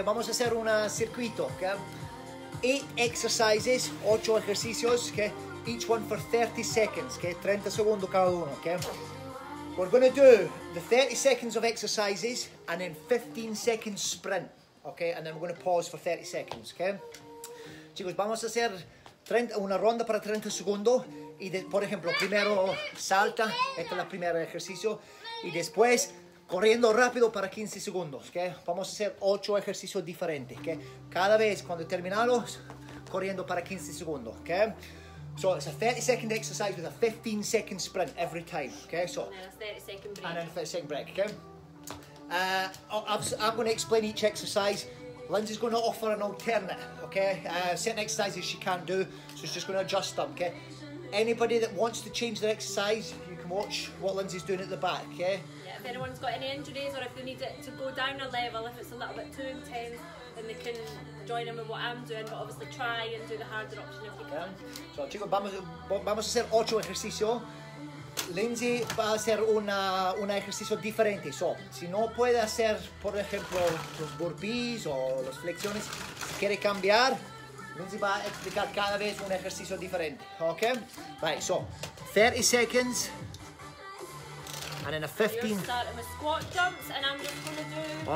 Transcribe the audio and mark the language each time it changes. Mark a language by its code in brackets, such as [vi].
[es] Vamos a hacer un circuito, okay? 8 exercises, 8 ejercicios, okay? [en] Each one for 30 seconds, okay? 30 segundos cada uno, okay? We're going to do the 30 seconds of exercises and then 15 seconds sprint, okay? And then we're going to pause for 30 seconds, okay? [es] Chicos, vamos a hacer una ronda para 30 segundos y, por ejemplo, primero salta, este es el primer ejercicio, y después corriendo rápido para 15 segundos, ¿ok? Vamos a hacer 8 ejercicios diferentes, ¿ok? Cada vez cuando terminamos, corriendo para 15 segundos, ¿ok? [en] So, it's a 30-second exercise with a 15-second sprint every time, ¿ok? So, and then a 30-second break. And then a 30-second break, ¿ok? I'm going to explain each exercise. Lindsay's going to offer an alternate, ¿ok? Certain exercises she can't do, so she's just going to adjust them, ¿ok? Anybody that wants to change their exercise, you can watch what Lindsay's doing at the back, ¿ok? If anyone's got any injuries or if they need it to go down a level, if it's a little bit too intense, then they can join in with what I'm doing, but obviously try and do the harder option if you can. [es] So chicos, vamos a hacer 8 ejercicios. Lindsay va a hacer un ejercicio diferente. So, si no puede hacer, por ejemplo, los burpees o las flexiones, si quiere cambiar, Lindsay va a explicar cada vez un ejercicio diferente. Okay? Right, so, 30 seconds. [en] and then a 15. So you're starting with squat jumps, and I'm just going to do